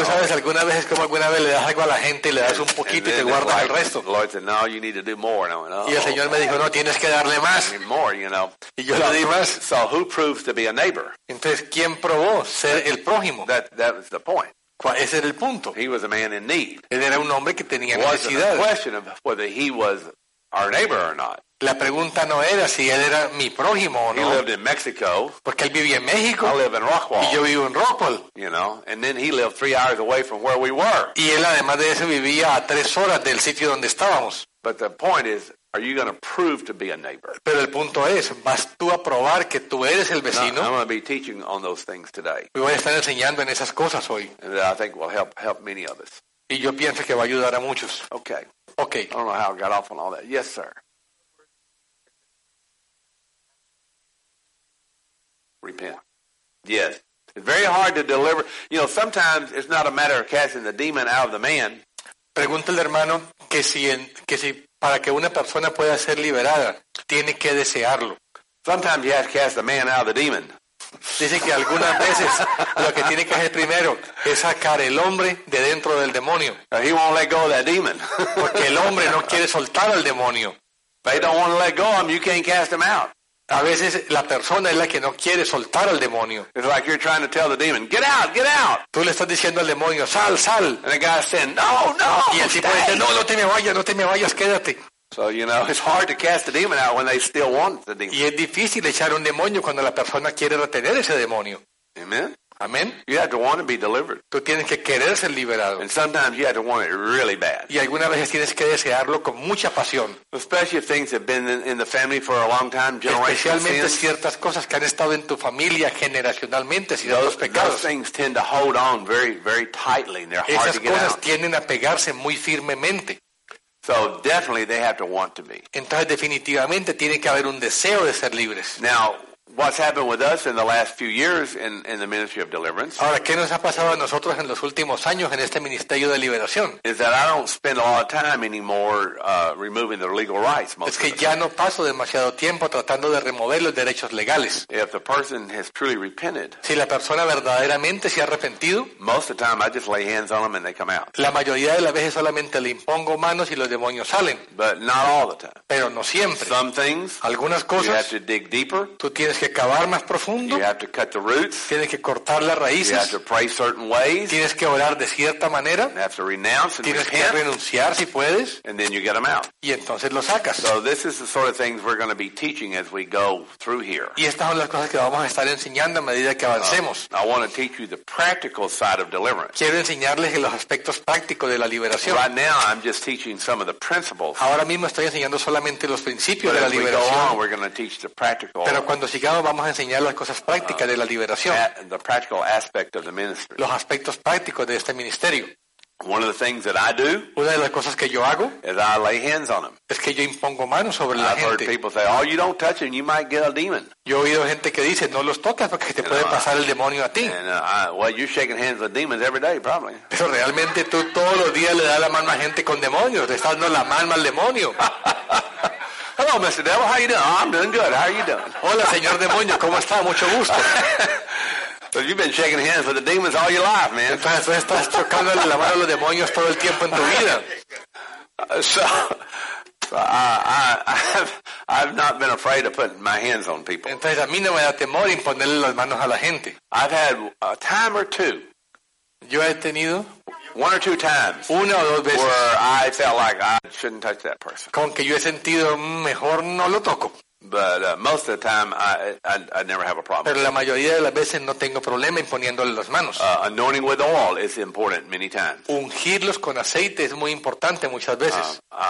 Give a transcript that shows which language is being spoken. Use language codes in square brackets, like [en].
[es] Tú sabes, alguna vez es como alguna vez le das algo a la gente y le das un poquito y te guardas [en] like, [es] el resto. [en] The Lord said, no, you need to do more. And I went, oh, [es] y el Señor me dijo, no, tienes que darle más. [en] I mean, more, you know. [es] Y yo le di más. [en] So who proves to be a neighbor? [es] Entonces, ¿quién probó ser el prójimo? [en] That was the point. [es] Ese era el punto. [en] He was a man in need. [es] Él era un hombre que tenía necesidad. [en] Wasn't a question of whether he was our neighbor or not. [es] La pregunta no era si él era mi prójimo o no. [en] He lived in Mexico. [es] Porque él vivía en México. [en] I live in Rockwall. [es] Y yo vivo en Rockwall. [en] You know, and then he lived 3 hours away from where we were. [es] Y él además de eso vivía a 3 horas del sitio donde estábamos. [en] But the point is, are you going to prove to be a neighbor? [es] Pero el punto es, ¿vas tú a probar que tú eres el vecino? [en] No, I'm going to be teaching on those things today. [es] Me voy a estar enseñando en esas cosas hoy. [en] And I think will help many of us. [es] Y yo pienso que va a ayudar a muchos. [en] Okay. Okay. I don't know how I got off on all that. Yes, sir. Repent. Yes. It's very hard to deliver. You know, sometimes it's not a matter of casting the demon out of the man. [es] Pregúntale, hermano, que si para que una persona pueda ser liberada, tiene que desearlo. [en] Sometimes you have to cast the man out of the demon. [es] Dice que algunas veces lo que tiene que hacer primero es sacar el hombre de dentro del demonio. [en] He won't let go of that demon. [es] Porque el hombre no quiere soltar al demonio. [en] They don't want to let go of him, you can't cast him out. [es] A veces la persona es la que no quiere soltar al demonio. [en] It's like you're trying to tell the demon, get out, get out. [es] Tú le estás diciendo al demonio, sal, sal. [en] And the guy's saying, no, no, [es] y el tipo dice, no, no te me vayas, no te me vayas, quédate. [en] So, you know, it's hard to cast the demon out when they still want the demon. [es] Y es difícil echar un demonio cuando la persona quiere retener ese demonio. [en] Amen. [es] Amen. [en] You have to want to be delivered. [es] Tú tienes que querer ser liberado. [en] And sometimes you have to want it really bad. [es] Y algunas veces tienes que desearlo con mucha pasión. [en] Especially if things have been in the family for a long time, generational sins. [es] Especialmente ciertas cosas que han estado en tu familia generacionalmente, si [en] those, [es] los pecados. [en] Those things tend to hold on very, very tightly, and they're hard to get out. [es] Esas cosas tienden a pegarse muy firmemente. [en] So definitely they have to want to be. [es] Entonces definitivamente tiene que haber un deseo de ser libres. [en] Now, What's happened with us in the last few years in the ministry of deliverance? [es] Ahora, ¿qué nos ha pasado a nosotros en los últimos años en este ministerio de liberación? [en] Is that I don't spend a lot of time anymore removing their legal rights. [es] Es que ya no paso demasiado tiempo tratando de remover los derechos legales. [en] If the person has truly repented, [es] si la persona verdaderamente se ha arrepentido, [en] most of the time I just lay hands on them and they come out. [es] La mayoría de las veces solamente le impongo manos y los demonios salen. [en] But not all the time. [es] Pero no siempre. [en] Some things, [es] algunas cosas, [en] you have to dig deeper. [es] Tienes que cavar más profundo. [en] You have to cut the roots. [es] Tienes que cortar las raíces. [en] You have to pray certain ways. [es] Tienes que orar de cierta manera. [en] You have to renounce and [es] tienes [en] repent. [es] Que renunciar si puedes. [en] And then you get them out. [es] Y entonces lo sacas. [en] So this is the sort of things we're going to be teaching as we go through here. [es] Y estas son las cosas que vamos a estar enseñando a medida que avancemos. [en] I want to teach you the practical side of deliverance. [es] Quiero enseñarles los aspectos prácticos de la liberación. [en] Right now I'm just teaching some of the principles. [es] Ahora mismo estoy enseñando solamente los principios de la liberación. [en] But as we go on, we're going to teach the practical. [es] Pero cuando vamos a enseñar las cosas prácticas de la liberación, [en] the practical aspect of the ministry. [es] Los aspectos prácticos de este ministerio. [en] One of the things that I do, [es] una de las cosas que yo hago, [en] is I lay hands on them. [es] Es que yo impongo manos sobre la gente. [en] I've heard people say, "Oh, you don't touch them, you might get a demon." [es] Yo he oído gente que dice, "No los toques porque te puede pasar el demonio a ti." [en] Well, you're shaking hands with demons every day, probably. [es] Pero realmente tú todos los días le das la mano a gente con demonios, le estás dando la mano al demonio. [en] Hello, Mr. Devil. How you doing? Oh, I'm doing good. How are you doing? [es] Hola, señor demonio. ¿Cómo está? Mucho gusto. [en] So you've been shaking hands with the demons all your life, man. [es] Entonces estás chocando la mano a los demonios todo el tiempo en tu vida. [en] So I've not been afraid of putting my hands on people. [es] Entonces a mí no me da temor imponerle las manos a la gente. [en] I've had a time or two. [es] Yo he tenido [en] one or two times, [es] una o dos veces, [en] where I felt like I shouldn't touch that person. [es] Con que yo he sentido mejor no lo toco. [en] But most of the time, I never have a problem. [es] Pero la mayoría de las veces no tengo problema imponiéndole las manos. [en] Anointing with oil is important many times. [es] Ungirlos con aceite es muy importante muchas veces.